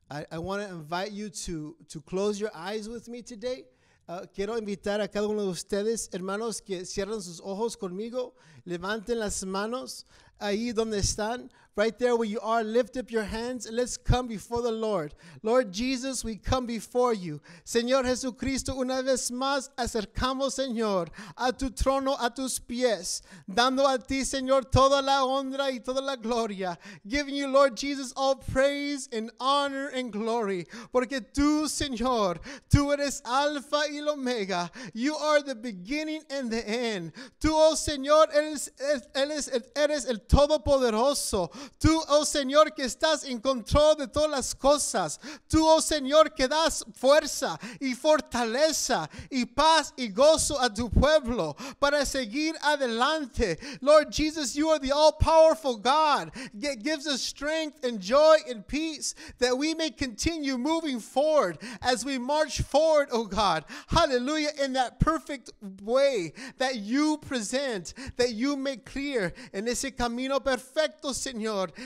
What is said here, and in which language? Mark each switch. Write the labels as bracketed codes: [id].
[en] I want to invite you to close your eyes with me today. [es] Quiero invitar a cada uno de ustedes, hermanos, que cierren sus ojos conmigo. Levanten las manos ahí donde están. [en] Right there where you are, lift up your hands. Let's come before the Lord. Lord Jesus, we come before you. [es] Señor Jesucristo, una vez más, acercamos, Señor, a tu trono, a tus pies, dando a ti, Señor, toda la honra y toda la gloria. [en] Giving you, Lord Jesus, all praise and honor and glory. [es] Porque tú, Señor, tú eres Alfa y Omega. [en] You are the beginning and the end. [es] Tú, oh, Señor, eres el Todopoderoso. Tú, oh Señor, que estás en control de todas las cosas. Tú, oh Señor, que das fuerza y fortaleza y paz y gozo a tu pueblo para seguir adelante. [en] Lord Jesus, you are the all-powerful God that gives us strength and joy and peace that we may continue moving forward as we march forward, oh God. Hallelujah, in that perfect way that you present, that you make clear [es] en ese camino perfecto, Señor.